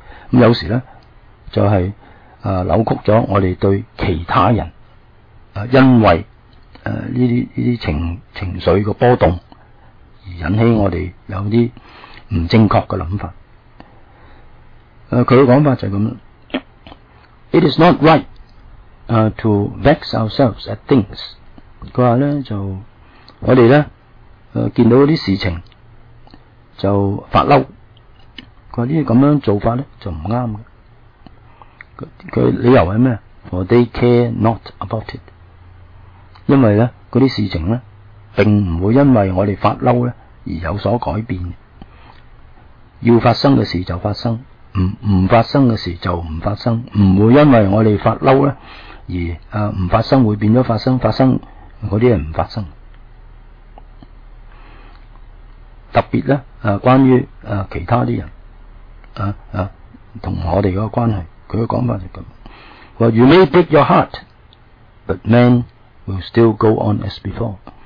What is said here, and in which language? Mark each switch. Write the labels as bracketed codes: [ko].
[yue] 咁有時咧就係、是。扭曲咗我哋对其他人因为呢啲情绪个波动而引起我哋有啲唔正確嘅諗法。佢嘅讲法就係咁樣。 [en] It is not right, to vex ourselves at things。 [yue] 佢话呢就我哋呢见到啲事情就发嬲。佢话呢啲咁样做法呢就唔啱。佢理由系咩 ？ [en] For they care not about it， [yue] 因为咧嗰啲事情咧，并唔会因为我哋发嬲咧而有所改变。要发生嘅事就发生，唔发生嘅事就唔发生，唔会因为我哋发嬲咧而唔发生会变咗发生，发生嗰啲系唔发生。特别咧关于其他啲人同我哋嗰个关系。佢嘅讲法就咁，话 [en] You may break your heart, but man will still go on as before。